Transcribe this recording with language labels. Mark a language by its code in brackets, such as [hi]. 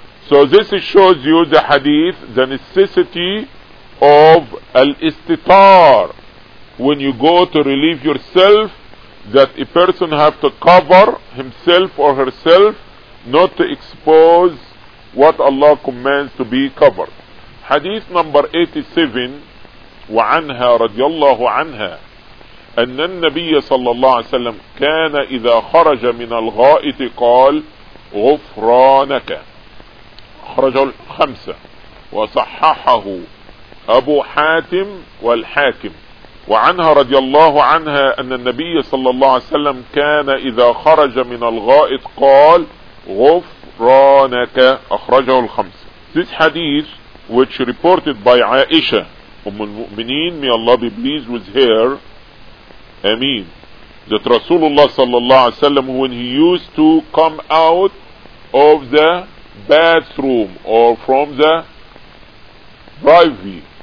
[en] So this shows you the hadith, the necessity of al-istitar. When you go to relieve yourself, that a person have to cover himself or herself, not to expose what Allah commands to be covered. Hadith number 87, [ar] وعنها رضي الله عنها أن النبي صلى الله عليه وسلم كان إذا خرج من الغائط قال غفرانك. خرج الخمسة وصححه أبو حاتم والحاكم. وعنها رضي الله عنها أن النبي صلى الله عليه وسلم كان إذا خرج من الغائط قال غفرانك. أخرجه الخمسة. [en] This hadith which reported by Aisha, Umm al-Mu'mineen, may Allah be pleased with her, Ameen, that Rasulullah sallallahu alayhi wa sallam, when he used to come out of the bathroom or from the privy,